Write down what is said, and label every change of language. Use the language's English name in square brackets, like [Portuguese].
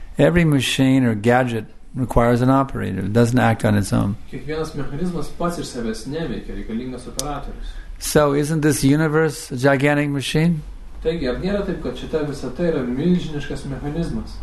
[English] Every machine or gadget requires an operator. It doesn't act on its own. [Lithuanian] Kiekvienas mechanizmas pats iš savęs neveikia, reikalingas operatorius. [English] So isn't this universe a gigantic machine? [Lithuanian] Taigi, ar nėra taip, kad šita visata yra milžiniškas mechanizmas?